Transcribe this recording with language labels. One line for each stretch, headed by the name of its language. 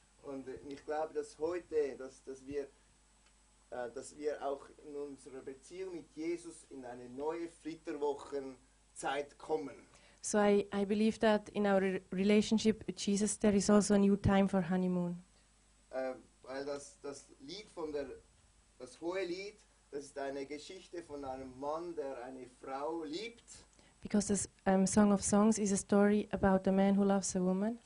German: Und ich glaube, dass heute, dass wir auch in unserer Beziehung mit Jesus in eine neue Flitterwochenzeit kommen.
English: So I believe that in our relationship with Jesus there is also a new time for honeymoon.
German: Weil das Hohelied, das ist eine Geschichte von einem Mann, der eine Frau liebt.
English: Because the Song of Songs is a story about a man who loves a woman.